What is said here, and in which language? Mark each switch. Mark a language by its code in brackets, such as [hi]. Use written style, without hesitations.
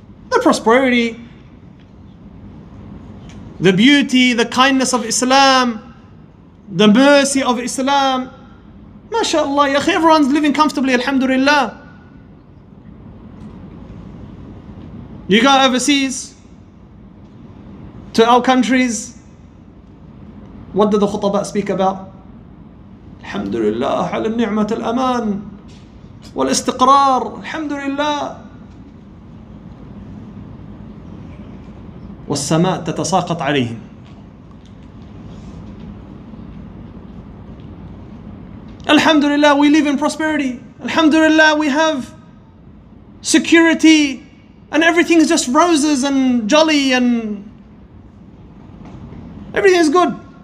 [en] The prosperity, the beauty, the kindness of Islam, the mercy of Islam. MashaAllah, Yakhi, everyone's living comfortably, alhamdulillah. You go overseas to our countries, what do the khutaba speak about? [ar] الحمد لله على النعمة الأمان والاستقرار الحمد لله والسماء تتساقط عليهم. [en] الحمد لله, we live in prosperity. الحمد لله, we have security and everything is just roses and jolly and everything is good.